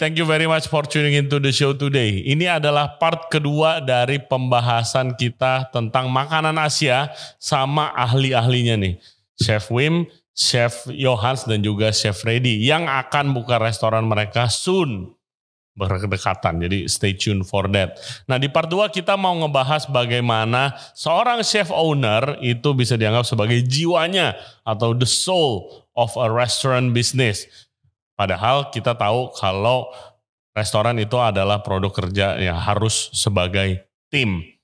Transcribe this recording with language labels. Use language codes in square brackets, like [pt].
[en] Thank you very much for tuning into the show today. [id] Ini adalah part kedua dari pembahasan kita tentang makanan Asia sama ahli-ahlinya nih. Chef Wim, Chef Johans, dan juga Chef Reddy yang akan buka restoran mereka soon. Berdekatan, jadi [en] stay tuned for that. [id] Nah, di part 2 kita mau ngebahas bagaimana seorang chef owner itu bisa dianggap sebagai jiwanya atau [en] the soul of a restaurant business. [id] Padahal kita tahu kalau restoran itu adalah produk kerja yang harus sebagai tim.